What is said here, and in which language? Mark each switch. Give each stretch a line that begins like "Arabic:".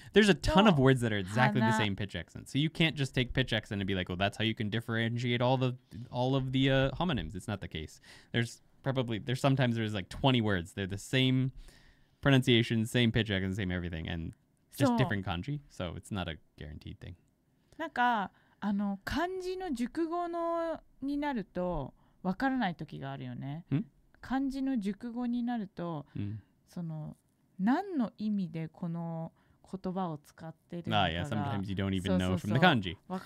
English: There's a ton of words that are exactly the same pitch accent. So you can't just take pitch accent and be like, well, that's how you can differentiate all of the homonyms. It's not the case. There's sometimes like 20 words. They're the same pronunciation, same pitch accent, same everything, and just different kanji. So it's not a guaranteed thing.
Japanese: なんか、漢字の熟語になると、わからない時があるよね。漢字の熟語になると、その、 何の意味でこの言葉を使ってるのかが
English: sometimes you don't even know from the kanji.